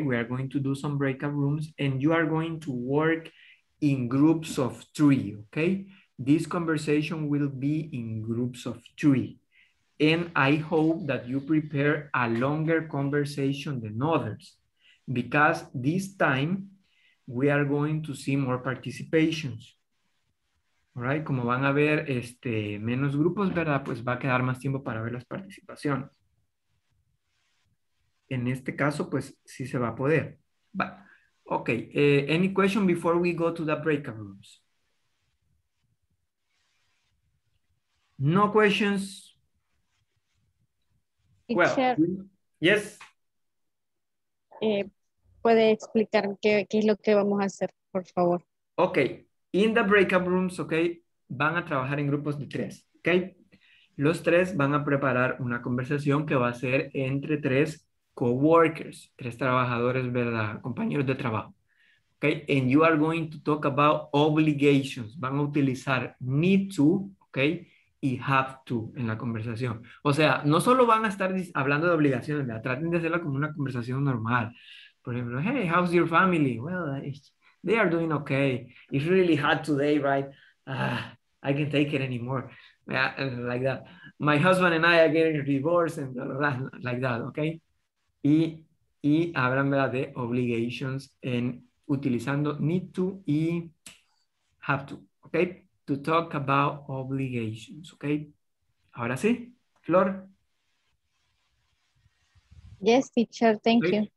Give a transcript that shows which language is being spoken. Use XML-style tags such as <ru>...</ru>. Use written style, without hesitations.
<en>We are going to do some breakout rooms and you are going to work in groups of three, okay? This conversation will be in groups of three. And I hope that you prepare a longer conversation than others, because this time we are going to see more participations. All right,</en> <es>como van a ver menos grupos, ¿verdad? Pues va a quedar más tiempo para ver las participaciones. En este caso, pues sí se va a poder.</es> <en>But, okay, any question before we go to the breakout rooms? No questions. Well, yes.</en> <es>¿Puede explicar qué es lo que vamos a hacer, por favor? Okay,</es> <en>in the breakout rooms,</en> <es>okay, van a trabajar en grupos de tres, okay? Los tres van a preparar una conversación que va a ser entre tres co-workers, tres trabajadores, ¿verdad? Compañeros de trabajo, okay?</es> <en>And you are going to talk about obligations.</en> <es>Van a utilizar need to, okay, y have to en la conversación. O sea, no solo van a estar hablando de obligaciones, ¿verdad? Traten de hacerla como una conversación normal. Por ejemplo,</es> <en>hey, how's your family? Well, they are doing okay. It's really hot today, right? I can't take it anymore. Yeah, like that. My husband and I are getting divorced and blah, blah, blah, like that, okay?</en> <es>Y hablan, ¿verdad?, de obligations en utilizando need to y have to, okay?</es> <en>To talk about obligations, okay?</en> <es>Ahora sí, Flor.</es> <en>Yes, teacher, thank you.</en>